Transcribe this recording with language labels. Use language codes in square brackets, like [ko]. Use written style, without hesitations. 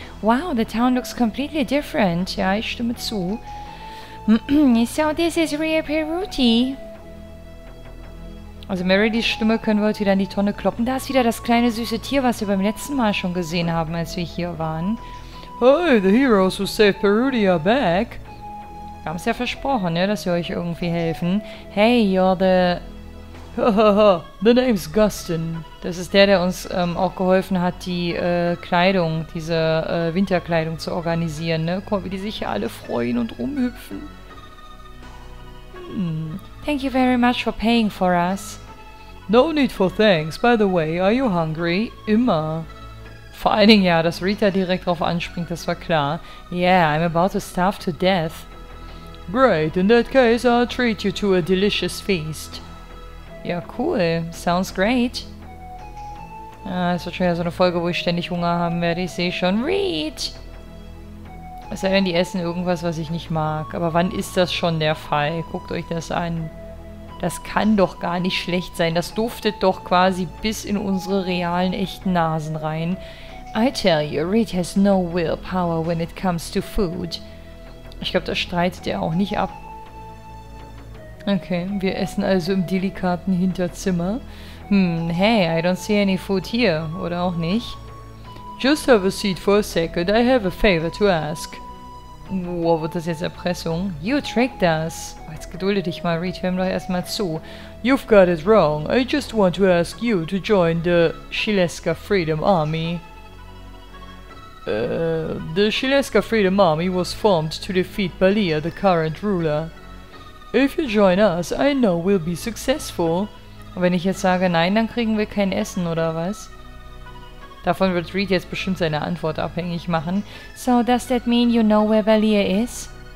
[en] Wow, the town looks completely different. [de] Ja, ich stimme zu. [en] So this is Rhea Peruti. [de] Also Meridys Stimme können wir heute wieder in die Tonne kloppen. Da ist wieder das kleine süße Tier, was wir beim letzten Mal schon gesehen haben, als wir hier waren. [en] Hey, the heroes who saved Peruti are back. [de] Wir haben es ja versprochen, ne, dass wir euch irgendwie helfen. [en] Hey, you're the... the name's Gustin. [de] Das ist der, der uns auch geholfen hat, die Kleidung, diese Winterkleidung zu organisieren, ne? Guck mal, wie die sich hier alle freuen und rumhüpfen. [en] Thank you very much for paying for us. No need for thanks. By the way, are you hungry? [de] Immer. Vor allen Dingen ja, dass Rita direkt drauf anspringt, das war klar. [en] Yeah, I'm about to starve to death. Great, in that case I'll treat you to a delicious feast. [de] Ja, cool. [en] Sounds great. [de] Ah, es wird schon wieder so eine Folge, wo ich ständig Hunger haben werde. Ich sehe schon. Reed! Es sei denn, die essen irgendwas, was ich nicht mag. Aber wann ist das schon der Fall? Guckt euch das an. Das kann doch gar nicht schlecht sein. Das duftet doch quasi bis in unsere realen, echten Nasen rein. [en] I tell you, Reed has no willpower when it comes to food. [de] Ich glaube, das streitet er auch nicht ab. Okay, wir essen also im delikaten Hinterzimmer. [en] Hey, I don't see any food here. [de] Oder auch nicht. [en] Just have a seat for a second. I have a favor to ask. [de] Wow, wird das jetzt Erpressung? [en] You tricked us. [de] Jetzt gedulde dich mal, Reed, hör mir doch erstmal zu. [en] You've got it wrong. I just want to ask you to join the Shileska Freedom Army. The Shileska Freedom Army was formed to defeat Balia, the current ruler. If you join us, I know we'll be successful. [de] Und wenn ich jetzt sage nein, dann kriegen wir kein Essen, oder was? Davon wird Reed jetzt bestimmt seine Antwort abhängig machen. [en] So, does that mean you know where Balia is?